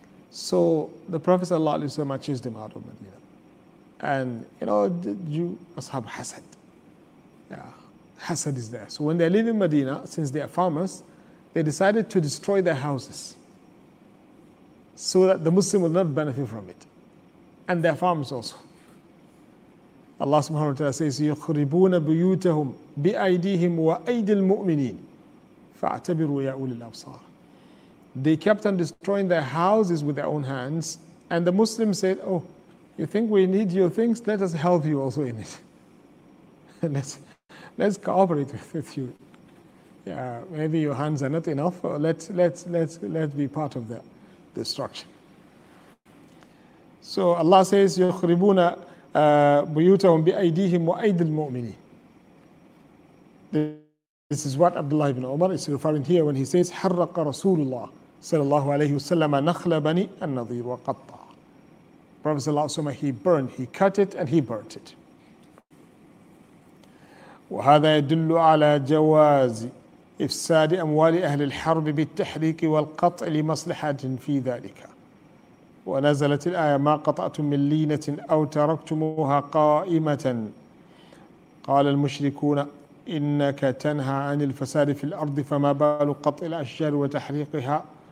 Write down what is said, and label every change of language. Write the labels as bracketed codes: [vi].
[en] So the Prophet sallallahu alaihi wasallam chased them out of Medina. And, you know, you must have hasad. Yeah, hasad is there. So when they're leaving Medina, since they are farmers, they decided to destroy their houses so that the Muslim will not benefit from it. And their farms also. Allah subhanahu wa ta'ala says, [ar] يُخْرِبُونَ بُيُوتَهُمْ بِأَيْدِيهِمْ وَأَيْدِ الْمُؤْمِنِينَ فَاعْتَبِرُوا يَا أُولِي الْأَبْصَارِ. [en] They kept on destroying their houses with their own hands, and the Muslims said, oh, you think we need your things? Let us help you also in it. let's cooperate with you. Yeah, maybe your hands are not enough. Let's be part of the destruction. So Allah says, [ar] يُخْرِبُونَ بُيُوتَهُمْ بِأَيْدِيهِمْ وَأَيْدِ الْمُؤْمِنِينَ. [en] This is what Abdullah ibn Umar is referring here when he says, [ar] حَرَّقَ رَسُولُ اللَّهِ صلى الله عليه وسلم نخل بني النضير وقطع. [en] Prophet صلى الله عليه وسلم, he burned, he cut it and he burnt it. [ar] وهذا يدل على جواز إفساد أموال أهل الحرب بالتحريك والقطع لمصلحة في ذلك. ونزلت الآية ما قطعتم من لينة أو تركتموها قائمة قال المشركون إنك تنهى عن الفساد في الأرض فما بال قطع الأشجار وتحريقها.